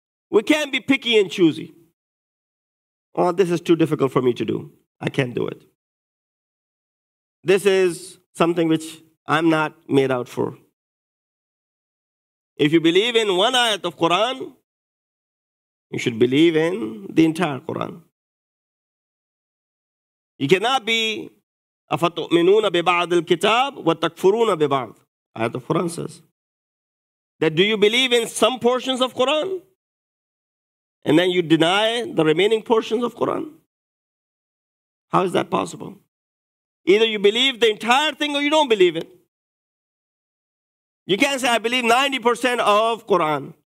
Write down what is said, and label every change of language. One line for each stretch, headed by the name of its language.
English: We can't be picky and choosy. Oh, this is too difficult for me to do. I can't do it. This is something which I'm not made out for. If you believe in one ayat of Quran, you should believe in the entire Quran. You cannot be
Arabic: أَفَتُؤْمِنُونَ بِبَعْضِ الْكِتَابِ وَتَكْفُرُونَ بِبَعْضِ.
English: Ayat of Quran says that do you believe in some portions of Quran and then you deny the remaining portions of Quran? How is that possible? Either you believe the entire thing or you don't believe it. You can't say, I believe 90% of Quran.